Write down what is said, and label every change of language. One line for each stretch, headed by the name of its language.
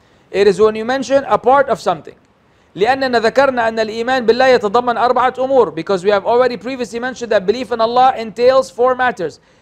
English: It is when you mention a part of something.
Arabic: لأننا ذكرنا أن الإيمان بالله يتضمن أربعة أمور.
English: Because we have already previously mentioned that belief in Allah entails four matters.